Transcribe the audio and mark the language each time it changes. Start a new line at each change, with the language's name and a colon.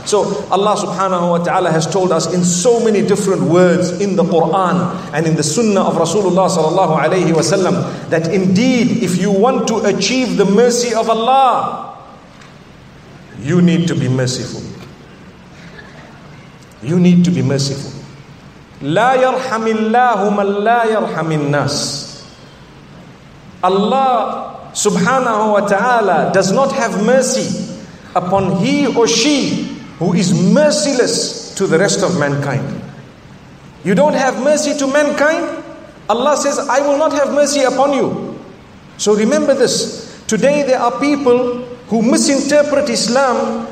English: So Allah subhanahu wa ta'ala has told us in so many different words in the Quran and in the Sunnah of Rasulullah sallallahu alayhi wa sallam, that indeed, if you want to achieve the mercy of Allah, you need to be merciful. You need to be merciful.
Arabic: لا يرحم الله من لا يرحم الناس. Allah
English: subhanahu wa ta'ala does not have mercy upon he or she who is merciless to the rest of mankind. You don't have mercy to mankind? Allah says, I will not have mercy upon you. So remember this. Today there are people who misinterpret Islam.